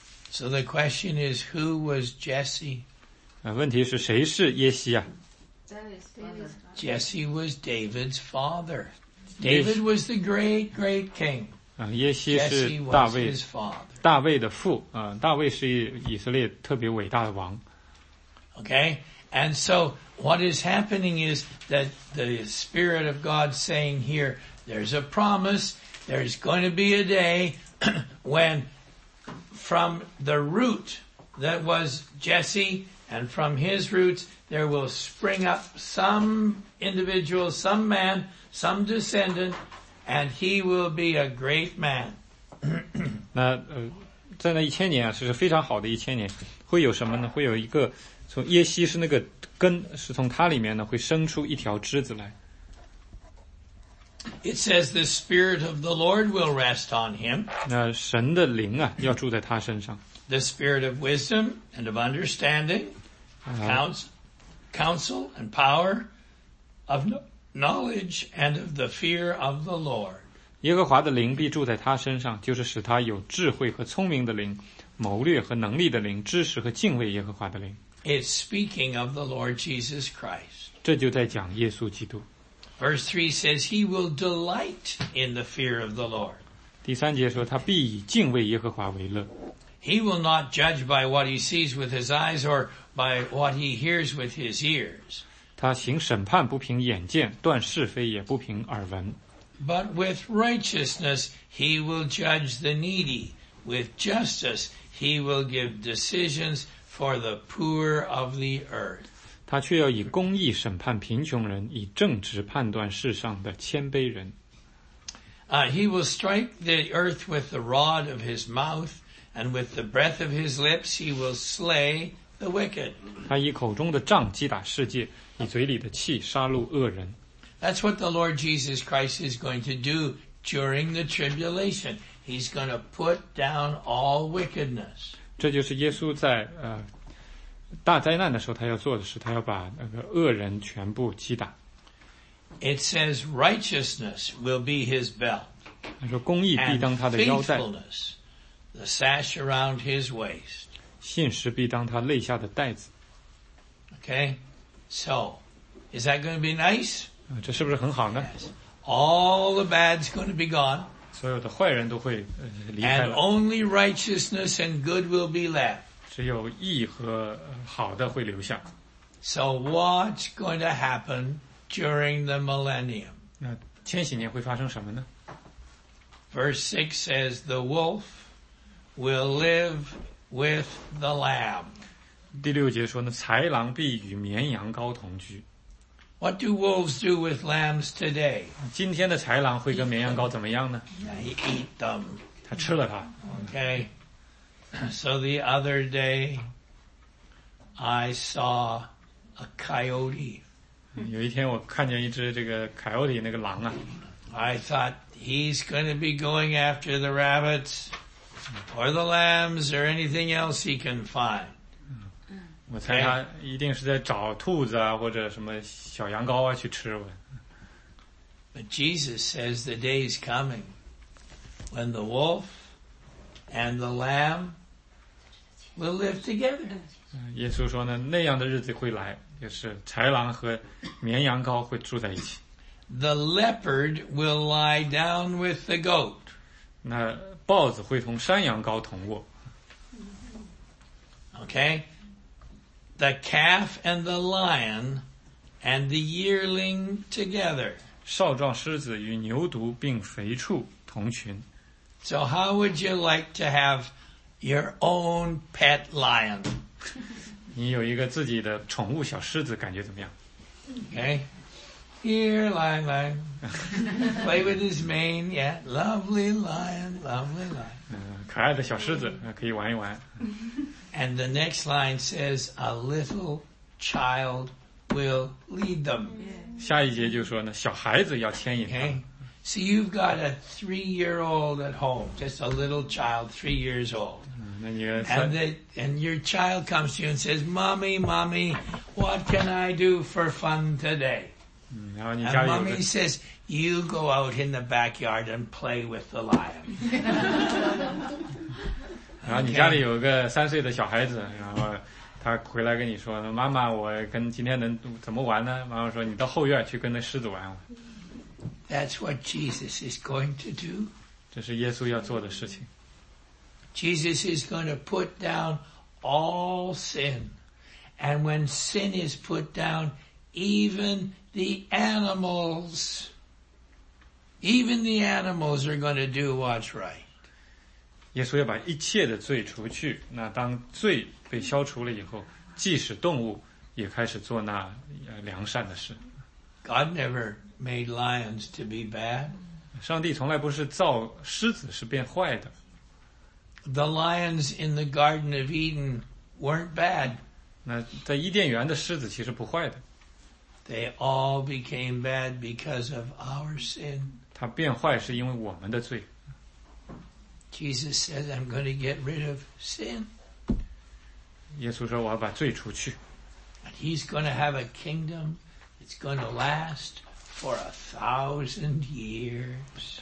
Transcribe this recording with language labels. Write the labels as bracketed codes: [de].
[en] So the question is, who was Jesse? [zh] 问题是谁是耶西啊？ [en] Jesse was David's father. David was the great, great king. Jesse was his father. [zh] 大卫的父，大卫是以色列特别伟大的王。 [en] Okay, and so what is happening is that the Spirit of God saying here, there's a promise, there's going to be a day when from the root that was Jesse and from his roots,There will spring up some individual, some man, some descendant, and he will be a great man. [zh] 那在那一千年啊，是非常好的一千年。会有什么呢？会有一个从耶西是那个根，是从他里面呢会生出一条枝子来。 [en] It says the Spirit of the Lord will rest on him. [zh] 那神的灵啊，要住在他身上。 [en] The Spirit of wisdom and of understanding counts. Counsel and power of knowledge and of the fear of the Lord. [zh] 耶和华的灵必住在他身上，就是使他有智慧和聪明的灵，谋略和能力的灵，知识和敬畏耶和华的灵。 [en] It's speaking of the Lord Jesus Christ. [zh] 这就在讲耶稣基督。 [en] Verse 3 says he will delight in the fear of the Lord. [zh] 第三节说他必以敬畏耶和华为乐。 [en] He will not judge by what he sees with his eyes or by what he hears with his ears. [zh] 他行审判不凭眼见，断是非也不凭耳闻。 [en] But with righteousness he will judge the needy. With justice he will give decisions for the poor of the earth. [zh] 他却要以公义审判贫穷人，以正直判断世上的谦卑人。 [en] He will strike the earth with the rod of his mouth. And with the breath of his lips, he will slay the wicked. [zh] 他以口中的杖击打世界，以嘴里的气杀戮恶人。 [en] That's what the Lord Jesus Christ is going to do during the tribulation. He's going to put down all wickedness. [zh] 这就是耶稣在大灾难的时候他要做的事，他要把那个恶人全部击打。 [en] It says righteousness will be his belt. [zh] 他说公义必当他的腰带。 [en] The sash around his waist. [zh] 信实必当他肋下的带子。 [en] Okay, so, is that going to be nice? [zh] 这是不是很好呢 [en] ？Yes. All the bad's going to be gone. [zh] 所有的坏人都会离开。 [en] And only righteousness and good will be left. [zh] 只有义和好的会留下。 [en] So what's going to happen during the millennium? [zh] 那千禧年会发生什么呢 [en] ？Verse 6 says the wolf. Will live with the lamb. [zh] 第六节说呢，豺狼必与绵羊羔同居。 [en] What do wolves do with lambs today? [zh] 今天的豺狼会跟绵羊羔怎么样呢 [en] ？They eat them. [zh] 他吃了它。 [en] Okay. So the other day, I saw a coyote. [zh] 有一天我看见一只这个 coyote 那个狼啊。 [en] I thought he's going to be going after the rabbits. Or the lambs, or anything else he can find. [zh] 我猜他一定是在找兔子啊，或者什么小羊羔啊去吃。 [en] But Jesus says the day is coming when the wolf and the lamb will live together. [zh] 耶稣说呢，那样的日子会来，就是豺狼和绵羊羔会住在一起。 [en] The leopard will lie down with the goat. [zh] 那豹子会同山羊羔同卧。 [en] Okay, the calf and the lion and the yearling together. [zh] 少壮狮子与牛犊并肥畜同群。 [en] So how would you like to have your own pet lion? [zh] 你有一个自己的宠物小狮子，感觉怎么样 [en] ？Okay. Here, lion, lion. Play with his mane. Yeah, lovely lion, lovely lion. [zh] 可爱的小狮子可以玩一玩。 [en] And the next line says, a little child will lead them. [zh] 下一节就说呢，小孩子要牵引他。 [en] Okay. So you've got a 3-year-old at home, just a little child, 3 years old. And your child comes to you and says, Mommy, Mommy, what can I do for fun today? And Mommy says, You go out in the backyard and play with the lion. [zh] 然后你家里有个三岁的小孩子，然后他回来跟你说，妈妈，我跟今天能怎么玩呢？妈妈说，你到后院去跟那狮子玩。 [en] That's what Jesus is going to do. [zh] 这是耶稣要做的事情。 [en] Jesus is going to put down all sin. And when sin is put down, even the animals are going to do what's right. [zh] 耶稣要把一切的罪除去，那当罪被消除了以后，即使动物也开始做那良善的事。 [en] God never made lions to be bad. [zh] 上帝从来不是造狮子是变坏的。 [en] The lions in the Garden of Eden weren't bad. [zh] 那在伊甸园的狮子其实不坏的。 [en] They all became bad because of our sin. [zh] 它变坏是因为我们的罪。 [en] Jesus says, I'm going to get rid of sin. [zh] 耶稣说我要把罪除去。 [en] And he's going to have a kingdom that's going to last for 1,000 years.